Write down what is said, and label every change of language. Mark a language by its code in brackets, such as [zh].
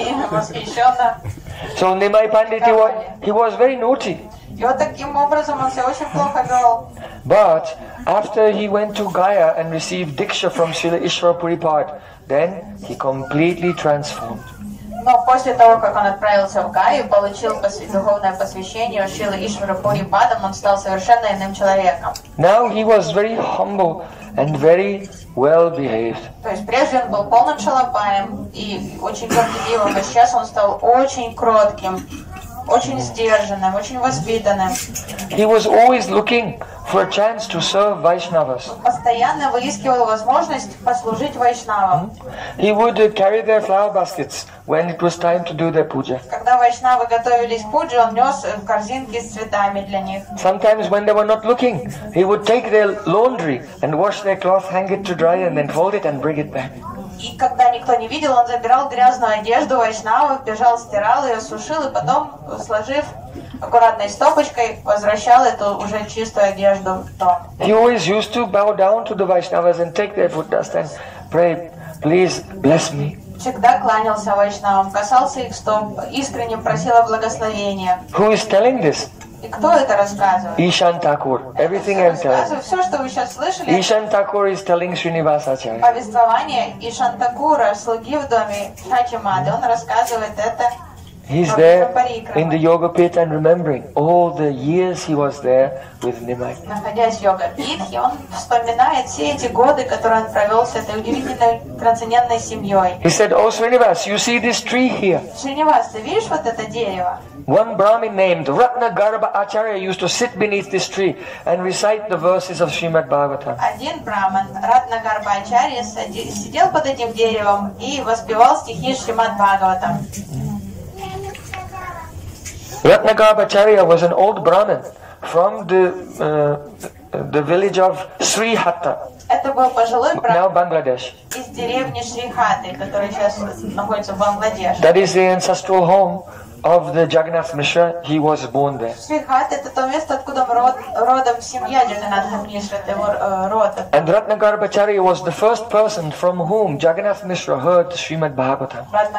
[en] So Nimai Pandit, he was very naughty. But after he went to Gaya and received Diksha from Srila Ishwara Puripad, then he completely transformed. [ru] Но после того, как он отправился в Гаю и получил духовное посвящение у Шрилы Ишвара Пурипадом, он стал совершенно иным человеком. [en] Now he was very humble and very well behaved. [ru] То есть прежде он был полным шалопаем и очень горделивым, а сейчас он стал очень кротким, очень сдержанным, очень воспитанным. [en] He was always looking for a chance to serve Vaishnavas. [ru] Постоянно выискивал возможность послужить Вайшнавам. [en] He would carry their flower baskets when it was time to do their puja. [ru] Когда Вайшнавы готовились к пудже, он нес корзинки с цветами для них. [en] Sometimes when they were not looking, he would take their laundry and wash their cloth, hang it to dry, and then fold it and bring it back. [ru] И когда никто не видел, он забирал грязную одежду Вайшнавы, бежал, стирал ее, сушил, и потом, сложив аккуратной стопочкой, возвращал эту уже чистую одежду в дом. [en] He always used to bow down to the Vaishnavas and take their foot dust and pray, please bless me. [ru] Всегда кланялся Вайшнавам, касался их стоп, искренне просил о благословении. [en] Who is telling this? [ru] И кто это рассказывает? [en] Ishan Thakur. Everything I'm telling. [ru] Все, что вы сейчас слышали. [en] Ishan Thakur is telling Srinivas Acharya. [ru] Повествование Ishan Thakur, слуги в доме Шачимады, он рассказывает это. [en] He's there in the yoga pit and remembering all the years he was there with Nimai. [ru] Находясь в йога питхе, он вспоминает все эти годы, которые он провел с этой удивительной трансцендентной семьей. [en] He said, "Oh, Srinivas, you see this tree here?" [ru] Srinivas, ты видишь вот это дерево? [en] One Brahmin named Ratnagarbha Acharya used to sit beneath this tree and recite the verses of Srimad Bhagavatam. [ru] Один Брахман, Ратнагарба Ачарья, сидел под этим деревом и воспевал стихи Шримад Бхагаватам. [en] Ratnagarbha Acharya was an old Brahmin from the village of Srihatta. [ru] Это был пожилой Брахман. [en] Now Bangladesh. [ru] Из деревни Шрихатты, которая сейчас находится в Бангладеш. [en] That is the ancestral home of the Jagannath Mishra, he was born there. And Ratnagarbha Acharya was the first person from whom Jagannath Mishra heard Srimad Bhagavatam.